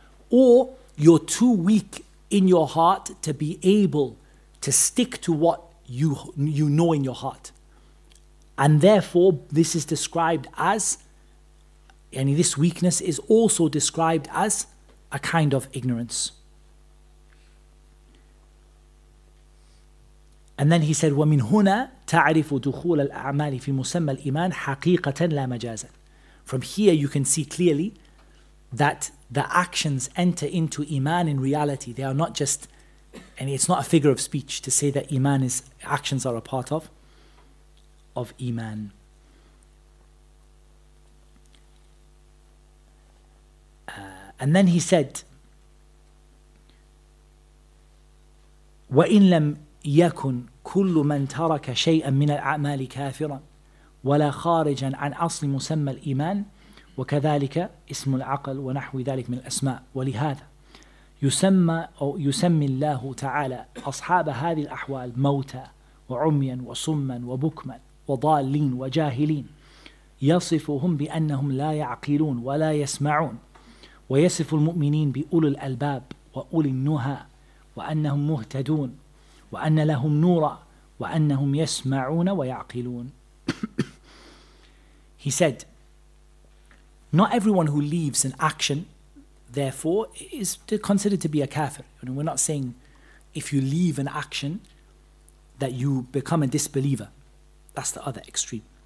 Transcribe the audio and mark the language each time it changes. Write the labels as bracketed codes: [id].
[en] Or you're too weak in your heart to be able to stick to what you know in your heart. And therefore, this is described as, and this weakness is also described as a kind of ignorance. And then he said, [ar] وَمِنْ هُنَا تَعْرِفُ دُخُولَ الْأَعْمَالِ فِي مُسَمَّى الْإِيمَانِ حَقِيقَةً لَا مَجَازًا. [en] From here you can see clearly that the actions enter into iman in reality. They are not just, and it's not a figure of speech to say that iman is, actions are a part of iman. And then he said, [ar] وَإِنْ لَمْ يَكُنْ كُلُّ مَنْ تَرَكَ شَيْئًا مِنَ الْأَعْمَالِ كَافِرًا وَلَا خَارِجًا عَنْ أَصْلِ مُسَمَّى الْإِيمَانِ وَكَذَلِكَ إِسْمُ الْعَقْلِ وَنَحْوِ ذَلِكَ مِنْ الْأَسْمَاءِ وَلِهَذَا يسمي الله تعالى أصحاب هذه الأحوال موتى وعميا وصما وبكما وضالين وجاهلين يصفهم بأنهم لا يعقلون ولا يسمعون ويصف المؤمنين بأولي الألباب وأولي النهى وأنهم مهتدون وأن لهم نورا وأنهم يسمعون ويعقلون. [en] He said, not everyone who leaves an action, therefore, is considered to be a kafir. I mean, we're not saying if you leave an action that you become a disbeliever. That's the other extreme.